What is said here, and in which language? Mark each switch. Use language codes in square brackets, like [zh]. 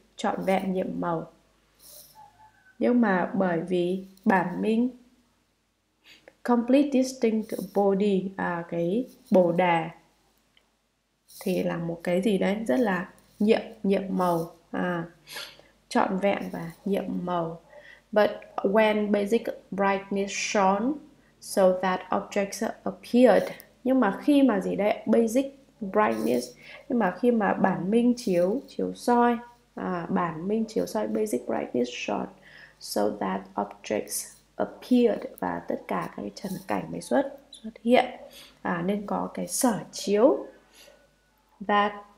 [vi] Trọn vẹn nhiệm màu. Nhưng mà bởi vì bản minh, complete distinct body, cái bồ đề thì là một cái gì đấy rất là nhiệm màu, trọn vẹn và nhiệm màu. [en] But when basic brightness shone so that objects appeared. [vi] Nhưng mà khi mà gì đấy, basic brightness, nhưng mà khi mà bản minh chiếu soi, bản minh chiếu soi, basic brightness shone so that objects appeared, và tất cả cái trần cảnh mới xuất hiện, nên có cái sở chiếu that